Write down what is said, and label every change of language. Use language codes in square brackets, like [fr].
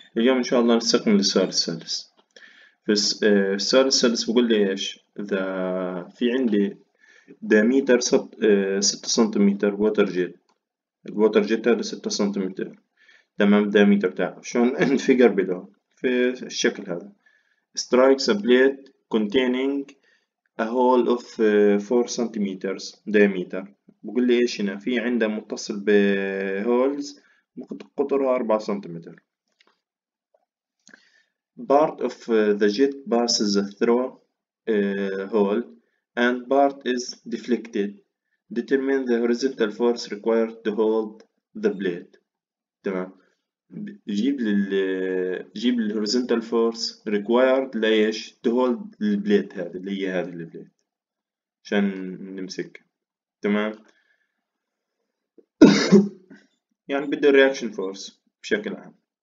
[ar] اليوم إن شاء الله نستكمل السؤال السادس. في السؤال السادس بقول لي إيش إذا في عندي ديميتر 6 سنتيمتر ووتر جيت، الووتر جيت هذا 6 سنتيمتر تمام الدايمتر بتاعه، شلون انفجر بده في الشكل هذا. [en] strikes a plate containing a hole of 4 centimetres diameter. [ar] بقول لي ايش هنا في عنده متصل بهولز قطرها 4 سنتيمتر. [en] part of the jet passes through hole and part is deflected. Determine the horizontal force required to hold the blade. [ar] تمام، جيب ال [en] horizontal force required [ar] ليش [en] to hold the blade [ar] هذه اللي هي هذه ال blade عشان نمسك. تمام يعني بده [en] reaction force [ar] بشكل عام.